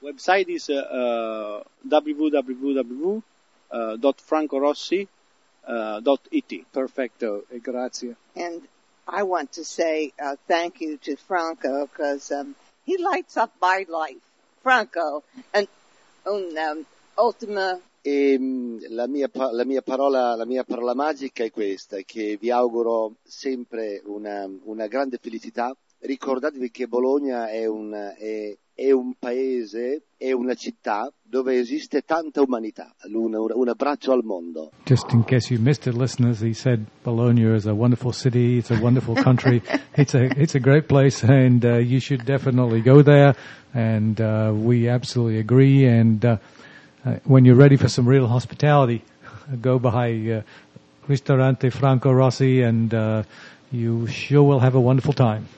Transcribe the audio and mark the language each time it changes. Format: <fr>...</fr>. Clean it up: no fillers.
<en>Website is www.francorossi.it.</en> <it>Perfecto. E grazie.</it> <en>And I want to say thank you to Franco, because he lights up my life.</en> <it>Franco,</it> <en>and</en> <it>un'ultima. La mia parola magica è questa, che vi auguro sempre una grande felicità. Ricordatevi che Bologna è un paese, è una città dove esiste tanta umanità, un abbraccio al mondo.</it> <en>Just in case you missed it, listeners, he said Bologna is a wonderful city, it's a wonderful country, it's a great place, and you should definitely go there, and we absolutely agree, and when you're ready for some real hospitality, go by Ristorante Franco Rossi, and you sure will have a wonderful time.</en>